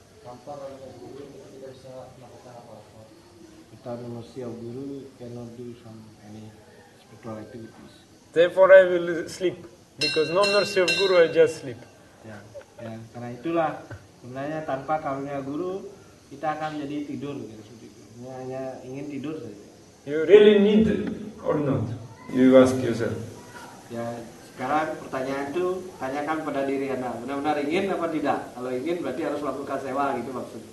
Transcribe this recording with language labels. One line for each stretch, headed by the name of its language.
Indonesian: Tanpa guru tidak bisa melakukan apa-apa.
English: Without the mercy of guru, cannot do some any spiritual activities. Therefore, I will sleep because no mercy of guru, I just sleep. Yeah. Yeah.
Indonesian: Karena itulah sebenarnya tanpa karunia guru kita akan menjadi tidur. Hanya ingin tidur saja.
English: You really need or not? You ask yourself.
Indonesian: Ya, sekarang pertanyaan itu tanyakan pada diri Anda. Benar-benar ingin apa tidak? Kalau ingin berarti harus melakukan sewa gitu maksudnya.